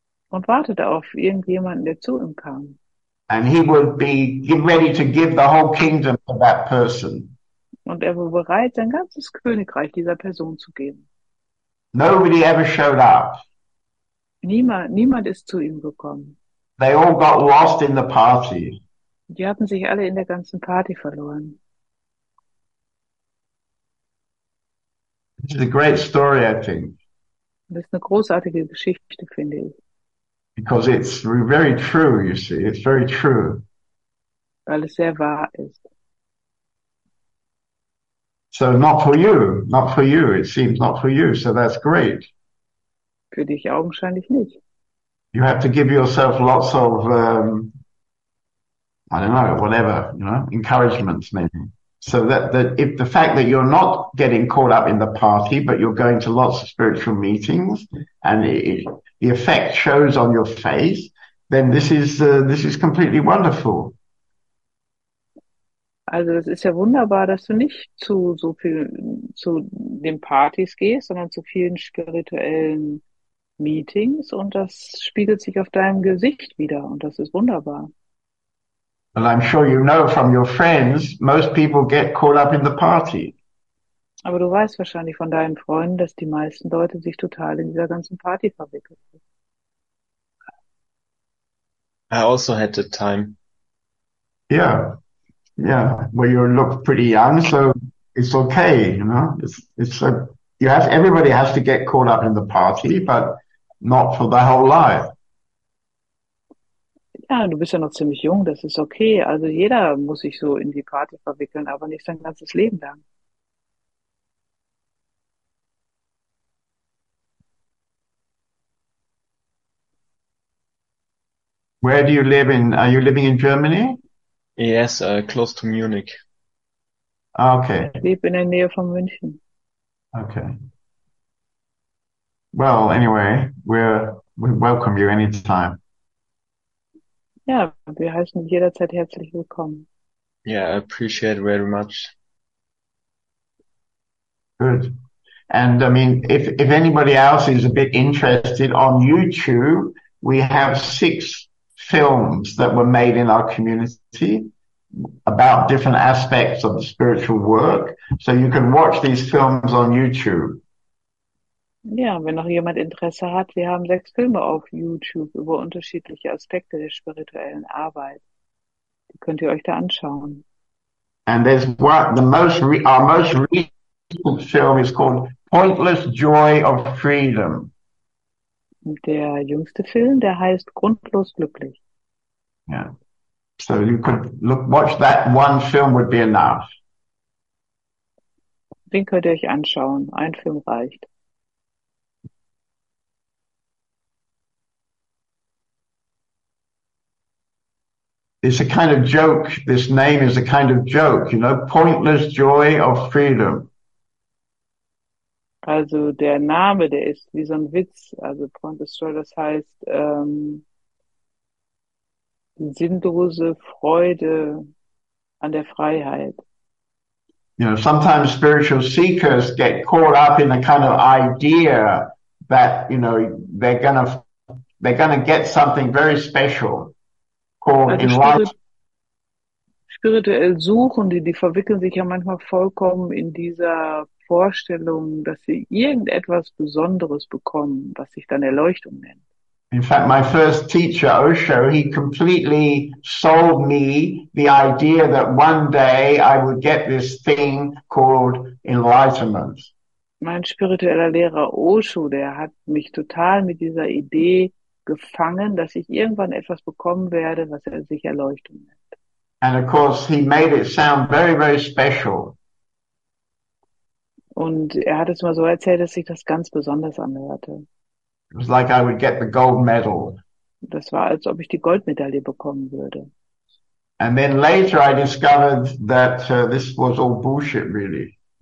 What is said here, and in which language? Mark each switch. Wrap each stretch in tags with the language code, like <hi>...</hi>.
<de>Und wartete auf irgendjemanden, der zu ihm kam.</de> <en>And he would be ready to give the whole kingdom to that person.</en> <de>Und er war bereit, sein ganzes Königreich dieser Person zu geben.</de> <en>Nobody ever showed up.</en> <de>Niemand ist zu ihm gekommen.</de> <en>They all got lost in the party.</en> <de>Die hatten sich alle in der ganzen Party verloren.</de> <en>This is a great story, I think.</en> <de>Das ist eine großartige Geschichte, finde ich.</de> <en>Because it's very true, you see. It's very true.</en> <de>Weil es sehr wahr ist.</de> <en>So not for you, not for you. It seems not for you. So that's great.</en> <de>Für dich augenscheinlich nicht.</de> <en>You have to give yourself lots of, I don't know, whatever, you know, encouragements maybe. So that if the fact that you're not getting caught up in the party, but you're going to lots of spiritual meetings, and the effect shows on your face, then this is completely wonderful.</en> <de>Also es ist ja wunderbar, dass du nicht zu so viel zu den Partys gehst, sondern zu vielen spirituellen Meetings und das spiegelt sich auf deinem Gesicht wieder und das ist wunderbar.</de> <en>Well, I'm sure you know from your friends, most people get caught up in the party.</en> <de>Aber du weißt wahrscheinlich von deinen Freunden, dass die meisten Leute sich total in dieser ganzen Party verwickelt haben.</de> <en>I also had the time. Yeah. Yeah. Well, you look pretty young, so it's okay, you know? Everybody has to get caught up in the party, but not for the whole life.</en> <de>Ja, du bist ja noch ziemlich jung, das ist okay. Also jeder muss sich so in die Party verwickeln, aber nicht sein ganzes Leben lang.</de> <en>Where do you live in? Are you living in Germany? Yes, close to Munich. Okay.</en> <de>Ich lebe in der Nähe von München.</de> <en>Okay. Well, anyway, we welcome you anytime.</en> <de>Ja, wir heißen dich jederzeit herzlich willkommen.</de> <en>Yeah, I appreciate it very much. Good. And I mean, if anybody else is a bit interested, on YouTube, we have 6 films that were made in our community about different aspects of the spiritual work. So you can watch these films on YouTube.</en> <de>Ja, wenn noch jemand Interesse hat, wir haben 6 Filme auf YouTube über unterschiedliche Aspekte der spirituellen Arbeit. Die könnt ihr euch da anschauen.</de> <en>And there's our most recent film is called Pointless Joy of Freedom.</en> <de>Der jüngste Film, der heißt Grundlos glücklich.</de> <en>Yeah. So you could watch that one film would be enough.</en> <de>Den könnt ihr euch anschauen. Ein Film reicht.</de> <en>It's a kind of joke. This name is a kind of joke, you know, Pointless Joy of Freedom.</en> <de>Also der Name, der ist wie so ein Witz. Also Pointless Joy, das heißt sinnlose Freude an der Freiheit.</de> <en>You know, sometimes spiritual seekers get caught up in a kind of idea that, you know, they're gonna get something very special.</en> <de>Spirituell suchen, die verwickeln sich ja manchmal vollkommen in dieser Vorstellung, dass sie irgendetwas Besonderes bekommen, was sich dann Erleuchtung nennt.</de> <en>In fact, my first teacher, Osho, he completely sold me the idea that one day I would get this thing called enlightenment.</en> <de>Mein spiritueller Lehrer Osho, der hat mich total mit dieser Idee gefangen, dass ich irgendwann etwas bekommen werde, was er sich Erleuchtung nennt.</de> <en>And of course he made it sound very, very special.</en> <de>Und er hat es mal so erzählt, dass sich das ganz besonders anhörte.</de> <en>It was like I would get the gold medal.</en> <de>Das war, als ob ich die Goldmedaille bekommen würde.</de> <en>And then later I discovered that this was all bullshit, really.</en>